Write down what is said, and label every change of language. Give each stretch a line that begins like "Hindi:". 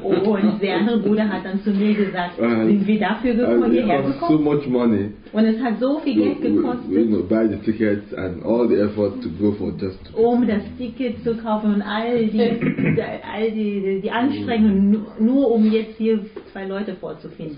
German: Oh, und der andere Bruder hat dann zu mir gesagt, sind wir dafür gekommen, hierher gekommen?
English: So much money.
German: Und es hat so viel Geld gekostet.
English: We, you know, buy the tickets and all the effort to go for just to
German: um das Ticket zu kaufen und all die Anstrengungen, nur um jetzt hier zwei Leute vorzufinden.